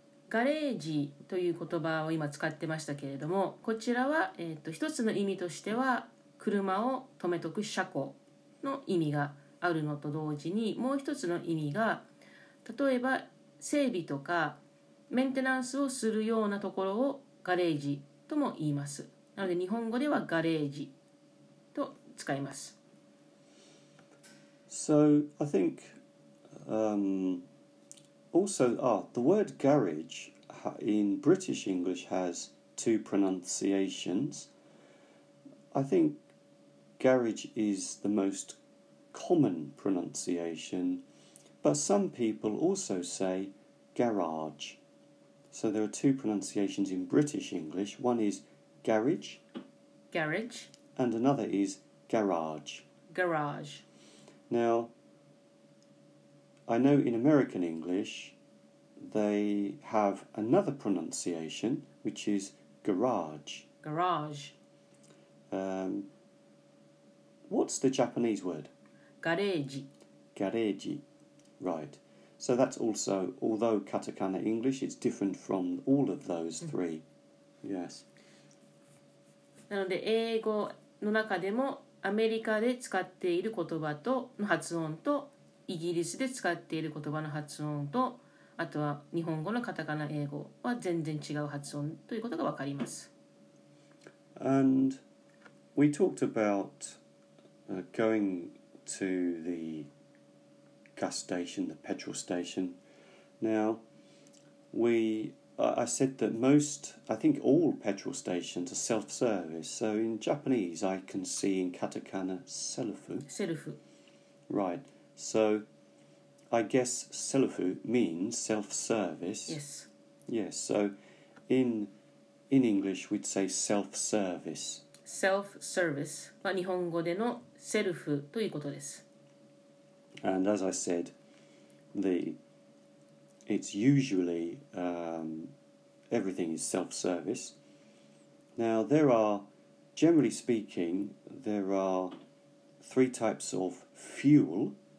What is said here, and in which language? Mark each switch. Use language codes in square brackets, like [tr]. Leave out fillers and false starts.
[ja] ガレージという言葉を今使ってましたけれども、こちらは、一つの意味としては車を止めとく車庫の意味があるのと同時に、もう一つの意味が、例えば整備とかメンテナンスをするようなところをガレージとも言います。なので日本語ではガレージと使います。 [en] So, I think, also, the word garage in British English has two pronunciations. I think garage is the most common pronunciation, but some people also say garage. So there are two pronunciations in British English. One is garage. Garage. And another is garage. Garage. Now, I know in American English, they have another pronunciation, which is garage. Garage. What's the Japanese word? Gareji. Gareji. Right. So that's also, although katakana English, it's different from all of those three. Yes. [ja] なので英語の中でもアメリカで使っている言葉との発音とイギリスで使っている言葉の発音とあとは日本語のカタカナ英語は全然違う発音ということがわかります。 [en] And we talked about going to the gas station, the petrol station. Now, I said that I think all petrol stations are self-service. So in Japanese, I can see in katakana, selufu. Selufu. Right. So I guess selufu means self-service. Yes. Yes. So in English, we'd say self-service. Self-service. [ja] は日本語でのセルフということです。 [en] And as I said, it's usually everything is self-service. Now, there are, generally speaking, there are three types of fuel.